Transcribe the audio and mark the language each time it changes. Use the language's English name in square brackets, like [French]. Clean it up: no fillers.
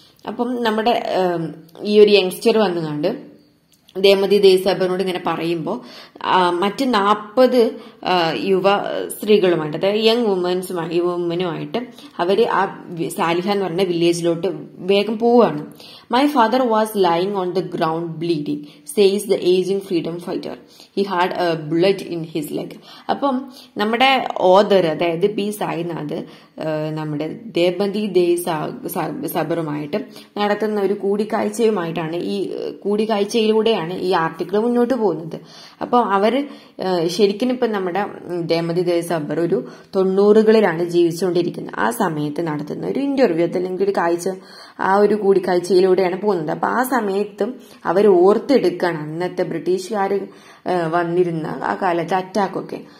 [Malayalam] അപ്പം നമ്മുടെ ഈ ഒരു യങ്സ്റ്റർ വന്നുകൊണ്ട് ദേമതി ദേയ് സബറിനോട് ഇങ്ങനെ പറയുമ്പോൾ മറ്റ് 40 യുവ സ്ത്രീകളുമായിട്ട്, അതായത് യങ് വുമൻസുമായി വുമനുമായിട്ട് അവർ ആ സാലിഹ എന്ന് പറഞ്ഞ വില്ലേജിലോട്ട് വേഗം പോവുകയാണ്. [English] My father was lying on the ground bleeding, says the aging freedom fighter. He had a bullet in his leg. [Malayalam] Appam nammade author adayathu P Sainath nammade Demathi Dei Sabarumayittu nadathunna oru koodikaichayumayittana ee koodikaichayilodeyanu ee article munnotu povunnathu. Appo avaru sherikkinu ippa nammade Demathi Dei Sabar oru 90-kalilana jeevichondirikkunnu aa samayathu nadathunna oru interview athallengil oru kaichu ആ ഒരു കൂടിക്കാഴ്ചയിലൂടെയാണ് പോകുന്നത്. അപ്പൊ ആ സമയത്തും അവർ ഓർത്തെടുക്കണം അന്നത്തെ ബ്രിട്ടീഷുകാർ വന്നിരുന്ന ആ കാലത്തെ അറ്റാക്കൊക്കെ.